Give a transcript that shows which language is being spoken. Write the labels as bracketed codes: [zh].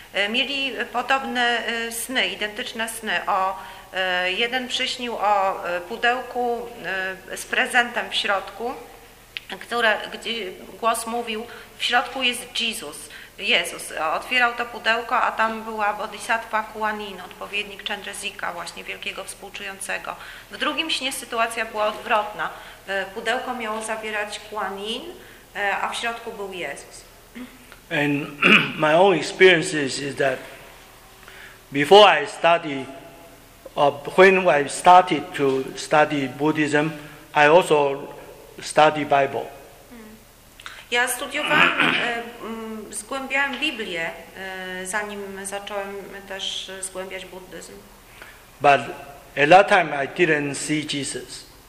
[pl] Mieli podobne sny, identyczne sny. Jeden przyśnił o pudełku z prezentem w środku, gdzie głos mówił, w środku jest Jezus. Jezus otwierał to pudełko, a tam była Bodhisattva Kuan Yin, odpowiednik Chandrasika, właśnie wielkiego współczującego. W drugim śnie sytuacja była odwrotna. Pudełko miało zawierać Kuan Yin, a w środku był Jezus. [en] And my own experience is that before I study, when I started to study Buddhism, I also study Bible. [pl] Ja studiowałem, zgłębiałem Biblię, zanim zacząłem też zgłębiać buddyzm. [en] But at that time I didn't see Jesus.